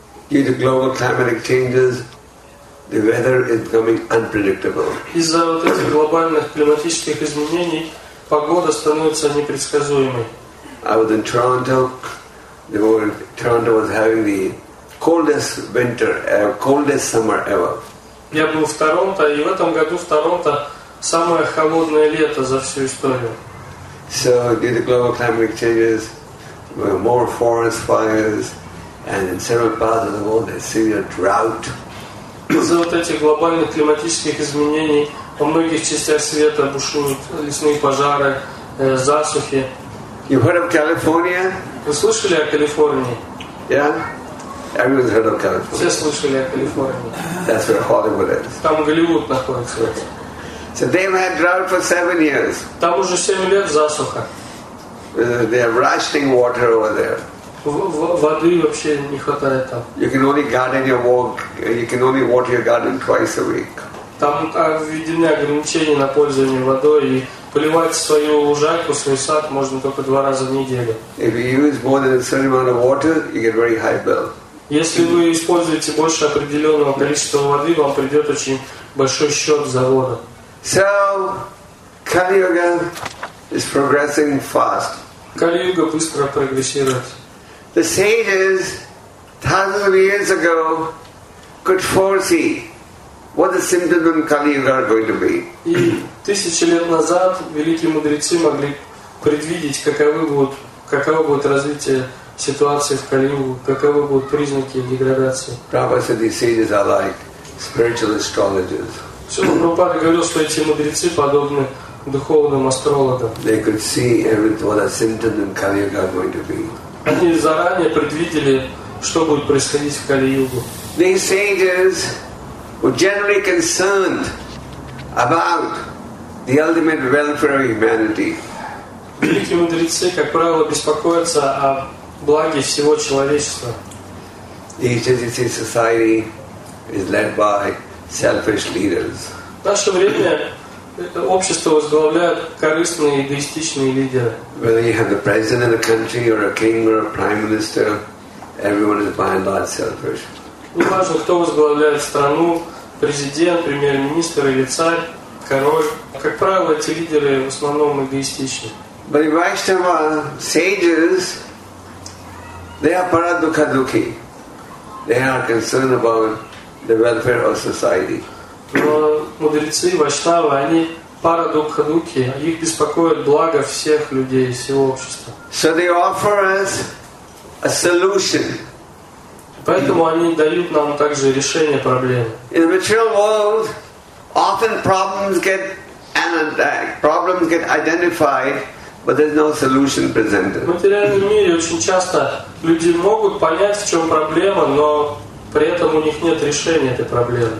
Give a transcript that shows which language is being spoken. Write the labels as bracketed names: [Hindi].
[English] Due to global climatic changes, the weather is becoming unpredictable. [Russian] Из-за вот этих глобальных климатических изменений погода становится непредсказуемой. [English] I was in Toronto. Toronto was having the coldest winter, coldest summer ever. [Russian] Я был в Торонто, и в этом году в Торонто самое холодное лето за всю историю. [English] So due to global climate changes, more forest fires, and in several parts of the world there's severe drought. [Russian] Из-за вот этих глобальных климатических изменений во многих частях света бушуют лесные пожары, засухи. [English] You heard of California? [Russian] Вы слышали о Калифорнии? [English] Yeah, everyone's heard of California. [Russian] Все слышали о Калифорнии. [English] That's where Hollywood is. [Russian] Там Голливуд находится. [English] So they've had drought for 7 years. [Russian] Там уже 7 лет засуха. [English] They are rationing water over there. [Russian] Воды вообще не хватает там. [English] You can only garden your walk. You can only water your garden twice a week. [Russian] Там введены ограничения на пользование водой, и поливать свою лужайку, свой сад можно только 2 раза в неделю. [English] If you use more than a certain amount of water, you get very high bill. [Russian] Если вы используете больше определенного количества воды, вам придет очень большой счет за воду. [English] So, Kali Yuga is progressing fast. [Russian] Kali Yuga быстро прогрессирует. [English] The sages, thousands of years ago, could foresee what the symptoms of Kali Yuga are going to be. [Russian] И тысячи лет назад великие мудрецы могли предвидеть, каково будет развитие ситуации в Кали Югу, каковы будут признаки деградации. [English] Prabhupada said these sages are like spiritual astrologers. [Russian] Прабхупада говорил, что эти мудрецы подобны духовным астрологам. [English] They could see everything what the symptoms of Kali Yuga are going to be. [Russian] Они заранее предвидели, что будет происходить в Кали-Югу. [English] These sages were generally concerned about the ultimate welfare of humanity. [Russian] Великие мудрецы, как правило, беспокоятся о благе всего человечества. [English] Society is led by selfish leaders. [Russian] В наше время общество возглавляют корыстные, эгоистичные лидеры. [English] Whether you have the president of the country or a king or a prime minister, everyone is by and large selfish. [Russian] Неважно, кто возглавляет страну, президент, премьер-министр или царь, король. Как правило, эти лидеры в основном эгоистичны. [English] But the Vaishnava sages, they are paradukhadukhi. They are concerned about the welfare of society. [Russian] Но мудрецы, ваштавы, они парадукхадуки, их беспокоит благо всех людей, всего общества. [English] So they offer us a solution. [Russian] Поэтому они дают нам также решение проблемы. [English] In the material world, often problems get identified, but there's no solution presented. [Russian] В материальном мире очень часто люди могут понять, в чем проблема, но при этом у них нет решения этой проблемы.